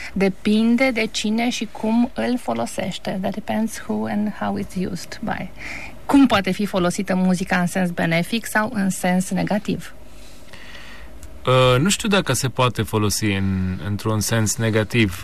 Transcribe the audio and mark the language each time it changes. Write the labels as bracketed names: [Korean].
[Romanian] Depinde de cine și cum îl folosește. [English] That depends who and how it's used by. [Romanian] Cum poate fi folosită muzica în sens benefic sau în sens negativ? Nu știu dacă se poate folosi într-un sens negativ.